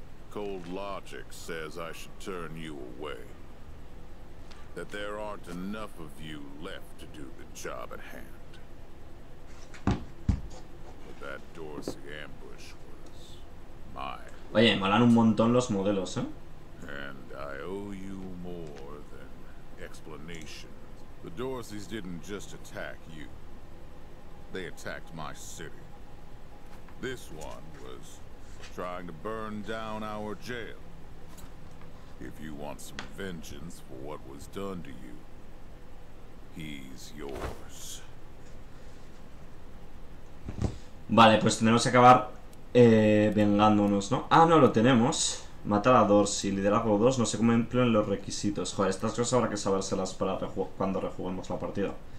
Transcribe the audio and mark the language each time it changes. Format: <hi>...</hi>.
<en>Cold logic says I should turn you away. That there aren't enough of you left to do the job at hand. But that Dorsey ambush was my.</en> <es>Oye, molan un montón los modelos, ¿eh?</es> <en>And I owe you more than explanation. The Dorseys didn't just attack you. They attacked my city. This one was trying to burn down our jail. If you want some vengeance for what was done to you, he's yours.</en> <es>Vale, pues tenemos que acabar vengándonos, ¿no? Ah, no, lo tenemos. Matar a Dorsey, liderazgo 2, no se cumplen los requisitos. Joder, estas cosas habrá que sabérselas para cuando rejuguemos la partida.</es>